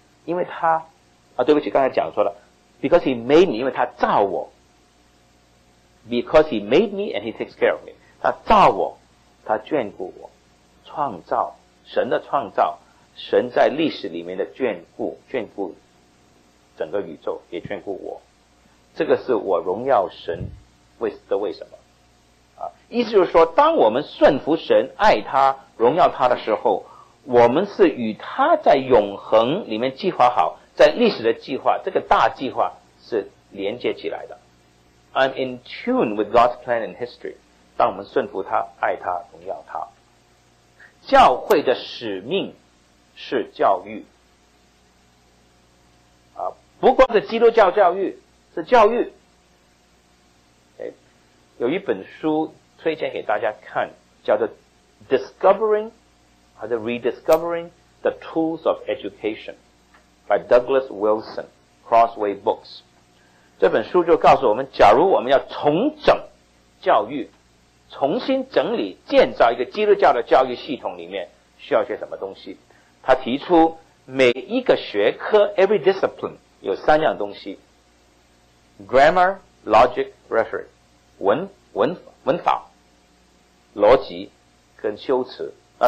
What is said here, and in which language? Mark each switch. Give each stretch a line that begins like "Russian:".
Chinese: 因为他对不起，刚才讲错了，
English: because he made me，
Chinese: 因为他造我，
English: because he made me and he takes care of me，
Chinese: 他造我，他眷顾我，创造，神的创造，神在历史里面的眷顾，眷顾整个宇宙，也眷顾我，这个是我荣耀神的为什么。意思就是说，当我们顺服神，爱他，荣耀他的时候，我们是与他在永恒里面计划好，在历史的计划，这个大计划是连接起来的。
English: I'm in tune with God's plan in history。
Chinese: 当我们顺服他，爱他，荣耀他，教会的使命是教育啊，不光是基督教教育，是教育。有一本书推荐给大家看，叫做 Discovering 或者 Rediscovering the Tools of Education by Douglas Wilson Crossway Books。这本书就告诉我们，假如我们要重整教育，重新整理建造一个基督教的教育系统里面，需要些什么东西。他提出每一个学科 every discipline 有三样东西：
English: grammar, logic, rhetoric，
Chinese: 文法逻辑跟修辞啊。